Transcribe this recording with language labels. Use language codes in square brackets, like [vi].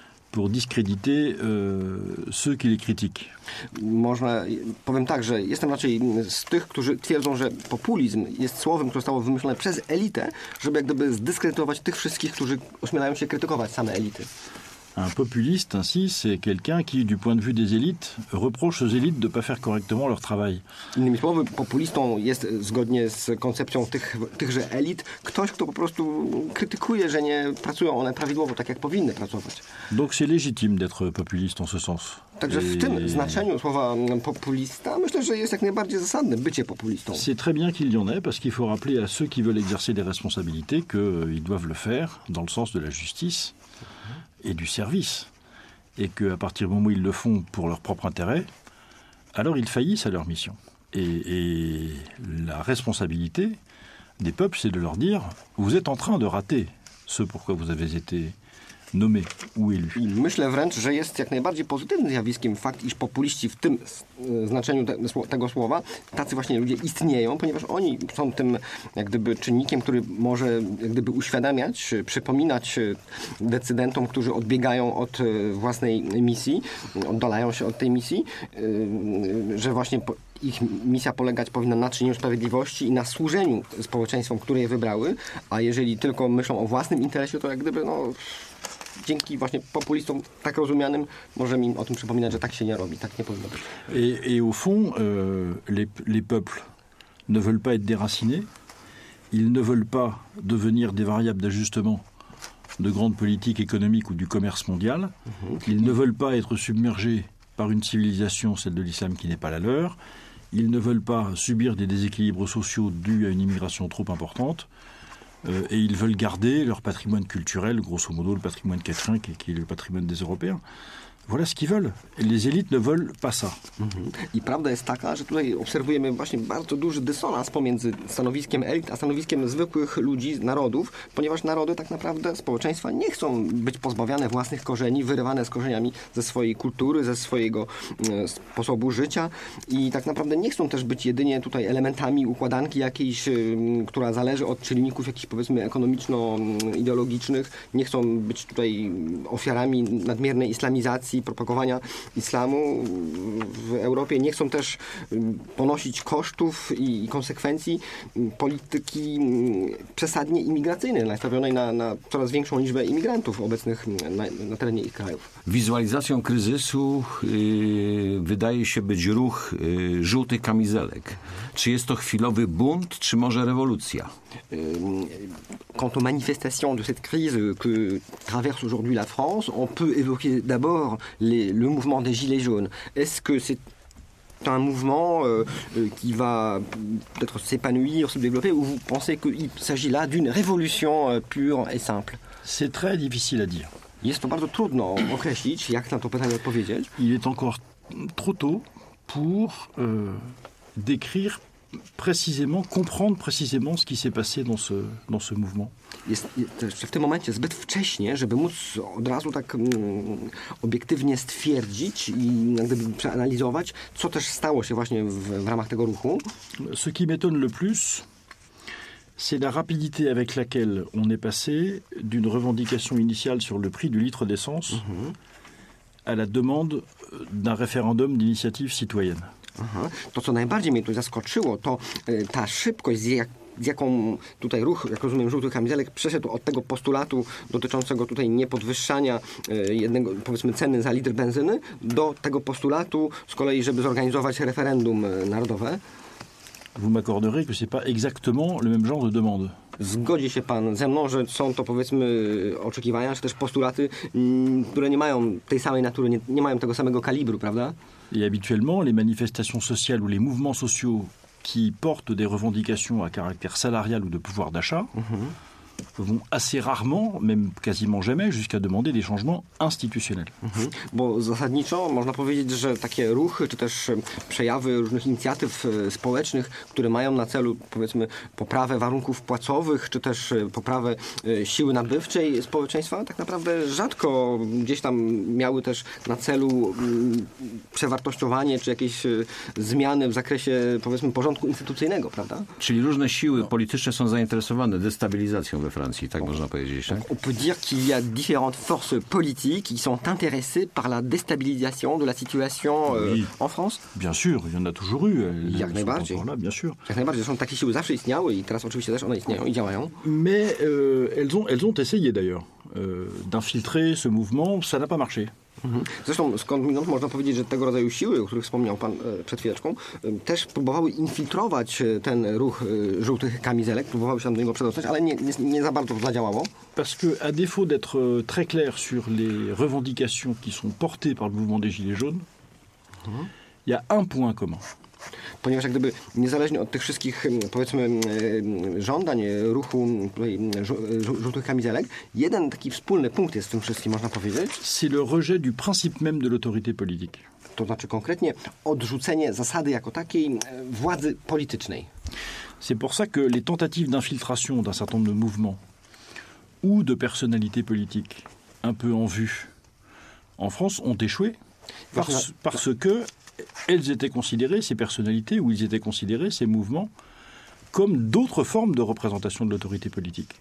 [fr] Pour discréditer ceux qui les critiquent. [pl] Można, powiem tak, że jestem raczej z tych, którzy twierdzą, że populizm jest słowem, które zostało wymyślone przez elitę, żeby jak gdyby zdyskredytować tych wszystkich, którzy ośmielają się krytykować same elity. [fr] Un populiste, ainsi, c'est quelqu'un qui, du point de vue des élites, reproche aux élites de ne pas faire correctement leur travail. [pl] Innymi słowy, populistą jest, zgodnie z koncepcją tychże elit, ktoś, kto po prostu krytykuje, że nie pracują one prawidłowo, tak jak powinny pracować. [fr] Donc c'est légitime d'être populiste en ce sens. [pl] Także w tym znaczeniu słowa populista myślę, że jest jak najbardziej zasadne bycie populistą. [fr] C'est très bien qu'il y en ait, parce qu'il faut rappeler à ceux qui veulent exercer des responsabilités qu'ils doivent le faire dans le sens de la justice. Et du service, et qu'à partir du moment où ils le font pour leur propre intérêt, alors ils faillissent à leur mission. Et la responsabilité des peuples, c'est de leur dire, vous êtes en train de rater ce pour quoi vous avez été nommé ou élu. [pl] Myślę wręcz, że jest jak najbardziej pozytywnym zjawiskiem fakt, iż populiści w tym znaczeniu tego słowa, tacy właśnie ludzie istnieją, ponieważ oni są tym jak gdyby czynnikiem, który może jak gdyby uświadamiać, przypominać decydentom, którzy odbiegają od własnej misji, oddalają się od tej misji, że właśnie ich misja polegać powinna na czynieniu sprawiedliwości i na służeniu społeczeństwom, które je wybrały, a jeżeli tylko myślą o własnym interesie, to jak gdyby no... Dzięki właśnie populistom tak rozumianym możemy im o tym przypominać, że tak się nie robi, tak nie powinno być. [fr] Et au fond, les peuples ne veulent pas être déracinés, ils ne veulent pas devenir des variables d'ajustement de grandes politiques économiques ou du commerce mondial, ils ne veulent pas être submergés par une civilisation, celle de l'islam, qui n'est pas la leur, ils ne veulent pas subir des déséquilibres sociaux dus à une immigration trop importante. Et ils veulent garder leur patrimoine culturel, grosso modo le patrimoine Catherine, qui est le patrimoine des Européens. Voilà ce qu'ils veulent. Les élites ne veulent pas ça. [pl] I prawda jest taka, że tutaj obserwujemy właśnie bardzo duży dysonans pomiędzy stanowiskiem elit, a stanowiskiem zwykłych ludzi, narodów, ponieważ narody tak naprawdę, społeczeństwa nie chcą być pozbawiane własnych korzeni, wyrywane z korzeniami ze swojej kultury, ze swojego sposobu życia i tak naprawdę nie chcą też być jedynie tutaj elementami układanki jakiejś, która zależy od czynników jakichś powiedzmy ekonomiczno-ideologicznych. Nie chcą być tutaj ofiarami nadmiernej islamizacji, i propagowania islamu w Europie. Nie chcą też ponosić kosztów i konsekwencji polityki przesadnie imigracyjnej, nastawionej na coraz większą liczbę imigrantów obecnych na terenie ich krajów. Wizualizacją kryzysu wydaje się być ruch żółtych kamizelek. Czy jest to chwilowy bunt, czy może rewolucja? [fr] Quant aux manifestations de cette crise que traverse aujourd'hui la France, on peut évoquer d'abord le mouvement des Gilets jaunes. Est-ce que c'est un mouvement qui va peut-être s'épanouir, se développer, ou vous pensez qu'il s'agit là d'une révolution pure et simple ? C'est très difficile à dire. [pl] Jest to bardzo trudno określić, jak na to pytanie odpowiedzieć. [fr] Il est encore trop tôt pour décrire précisément, comprendre précisément ce qui s'est passé dans ce mouvement. [pl] W tym momencie zbyt wcześnie, żeby móc od razu tak obiektywnie stwierdzić i gdyby przeanalizować, co też stało się właśnie w ramach tego ruchu. [fr] Ce qui m'étonne le plus, c'est la rapidité avec laquelle on est passé d'une revendication initiale sur le prix du litre d'essence à la demande d'un référendum d'initiative citoyenne. Aha. [pl] To, co najbardziej mnie tu zaskoczyło, to ta szybkość, z jaką tutaj ruch, jak rozumiem, żółtych kamizelek, przeszedł od tego postulatu dotyczącego tutaj niepodwyższania jednego, powiedzmy, ceny za litr benzyny, do tego postulatu z kolei, żeby zorganizować referendum narodowe. [fr] Vous m'accorderez que c'est pas exactement le même genre de demande. [pl] Zgodzi się pan ze mną, że są to, powiedzmy, oczekiwania, czy też postulaty, które nie mają tej samej natury, nie mają tego samego kalibru, prawda? [fr] Et habituellement, les manifestations sociales ou les mouvements sociaux qui portent des revendications à caractère salarial ou de pouvoir d'achat vont assez rarement, même quasiment jamais, jusqu'à demander des changements institutionnels. [pl] Bo zasadniczo można powiedzieć, że takie ruchy, czy też przejawy różnych inicjatyw społecznych, które mają na celu, powiedzmy, poprawę warunków płacowych, czy też poprawę siły nabywczej społeczeństwa, tak naprawdę rzadko gdzieś tam miały też na celu przewartościowanie, czy jakieś zmiany w zakresie, powiedzmy, porządku instytucyjnego, prawda? Czyli różne siły polityczne są zainteresowane destabilizacją we Francji, tak można powiedzieć. Tak? [fr] On peut dire qu'il y a différentes forces politiques qui sont intéressées par la déstabilisation de la situation en France. Bien sûr, il y en a toujours eu. [pl] Jak najbardziej. [fr] Là, bien sûr. [pl] Jak najbardziej. Zresztą takie siły zawsze istniały i teraz oczywiście też one istnieją i działają. [fr] Mais elles ont essayé d'ailleurs d'infiltrer ce mouvement, ça n'a pas marché. [pl] Zresztą skądinąd można powiedzieć, że tego rodzaju siły, o których wspomniał pan przed chwileczką, też próbowały infiltrować ten ruch żółtych kamizelek, próbowały się do niego przedostać, ale nie za bardzo zadziałało. [fr] Parce que à défaut d'être très clair sur les revendications qui sont portées par le mouvement des gilets jaunes, il y a un point commun. [pl] Ponieważ jak gdyby niezależnie od tych wszystkich, powiedzmy, żądań ruchu tutaj, żółtych kamizelek, jeden taki wspólny punkt jest w tym wszystkim, można powiedzieć. [fr] C'est le rejet du principe même de l'autorité politique. [pl] To znaczy konkretnie odrzucenie zasady jako takiej władzy politycznej. [fr] C'est pour ça que les tentatives d'infiltration d'un certain nombre de mouvements ou de personnalités politiques un peu en vue en France ont échoué parce que elles étaient considérées, ces personnalités, ou ils étaient considérés, ces mouvements, comme d'autres formes de représentation de l'autorité politique.